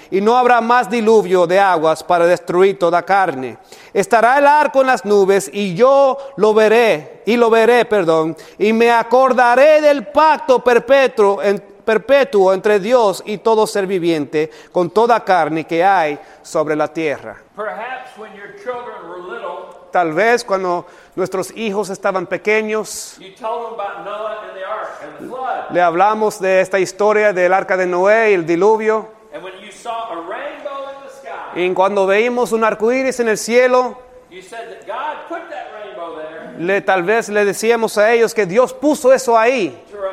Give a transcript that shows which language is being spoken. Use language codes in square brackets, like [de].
[es] Y no habrá más diluvio de aguas para destruir toda carne. Estará el arco en las nubes y yo lo veré, y me acordaré del pacto perpetuo perpetuo entre Dios y todo ser viviente, con toda carne que hay sobre la tierra. [en] Perhaps when your children were little, [es] tal vez cuando nuestros hijos estaban pequeños, [en] you told them about Noah and the ark and the flood. [es] Le hablamos de esta historia del arca de Noé y el diluvio. [en] And when you saw a rainbow in the sky, [es] y cuando veíamos un arco iris en el cielo, [en] you said that God put that rainbow there, [es] tal vez le decíamos a ellos que Dios puso eso ahí.